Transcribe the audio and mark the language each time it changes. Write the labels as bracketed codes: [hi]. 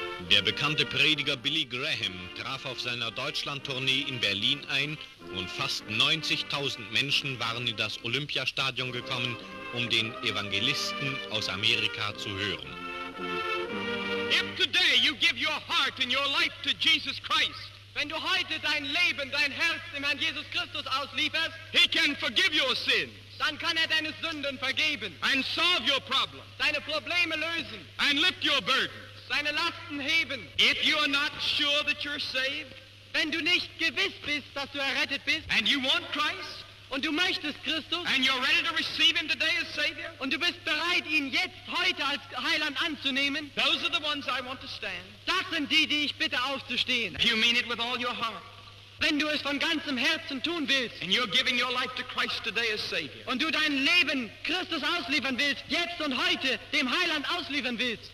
[de] Der bekannte Prediger Billy Graham traf auf seiner Deutschlandtournee in Berlin ein und fast 90.000 Menschen waren in das Olympiastadion gekommen, um den Evangelisten aus Amerika zu hören. [en] If today you give your heart and your life to Jesus Christ, [de] wenn du heute dein Leben, dein Herz dem Herrn Jesus Christus auslieferst, [en] he can forgive your sins. [de] Dann kann deine Sünden vergeben. [en] And solve your problem. [de] Deine Probleme lösen. [en] And lift your burden. [de] Deine Lasten heben. [en] If you are not sure that you're saved, [de] wenn du nicht gewiss bist, dass du errettet bist, [en] and you want Christ, [de] Und du möchtest Christus? [en] And you're ready to receive him today as Savior? [de] Und du bist bereit, ihn jetzt heute als Heiland anzunehmen? [en] Those are the ones I want to stand. [de] Das sind die, die ich bitte aufzustehen. [en] If you mean it with all your heart. [de] Wenn du es von ganzem Herzen tun willst. [en] And you're giving your life to Christ today as Savior. [de] Und du dein Leben Christus ausliefern willst, jetzt und heute dem Heiland ausliefern willst.